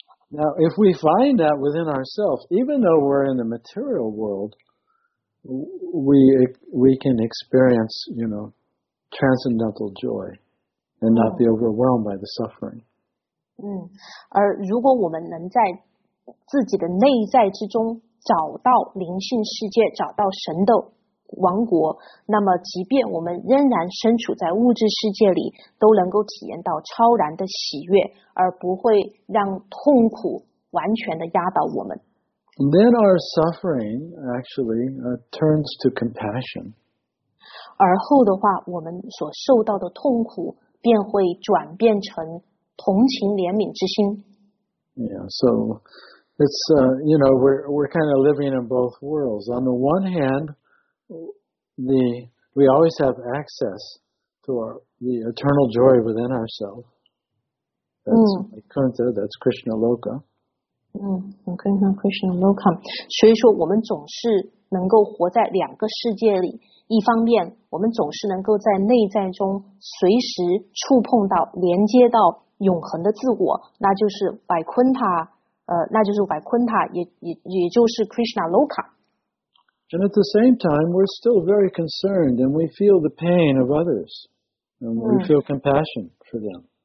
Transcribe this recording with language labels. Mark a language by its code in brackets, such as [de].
[en] Now, if we find that within ourselves, even though we're in the material world, we can experience, you know, transcendental joy and not be overwhelmed by the suffering. [zh] 而如果我们能在自己的内在之中找到灵性世界，找到神的王国，那么即便我们仍然身处在物质世界里，都能够体验到超然的喜悦，而不会让痛苦完全的压倒我们。 [en] Then our suffering actually turns to compassion. [zh] 而后的话，我们所受到的痛苦便会转变成同情怜悯之心。 [en] We're kind of living in both worlds. On the one hand, we always have access to the eternal joy within ourselves. That's Vaikuntha, that's Krishna Loka. Krishna Loka. [zh] 所以说我们总是能够活在两个世界里，一方面我们总是能够在内在中随时触碰到连接到永恒的自我，那就是 Vaikuntha。那就是怀昆塔，也就是 Krishna Loka。 [en] And at the same time, we're still very concerned, and we feel the pain of others, and we feel compassion for them.